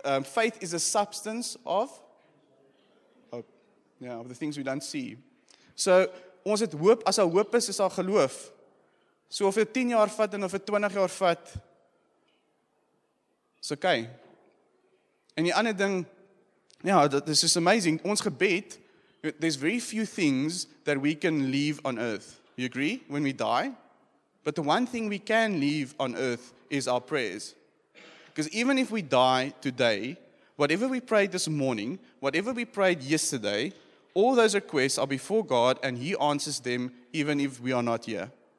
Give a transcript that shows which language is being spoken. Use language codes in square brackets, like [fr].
[en] Faith is a substance of, of the things we don't see. [af] So, ons het hoop, as al hoop is al geloof. So of jy 10 jaar vat en of jy 20 jaar vat, is okay. En die ander ding, [en] this is amazing, [af] ons gebed, [en] there's very few things that we can leave on earth. You agree? When we die? But the one thing we can leave on earth is our prayers. Because even if we die today, whatever we prayed this morning, whatever we prayed yesterday, all those requests are before God and He answers them even if we are not here.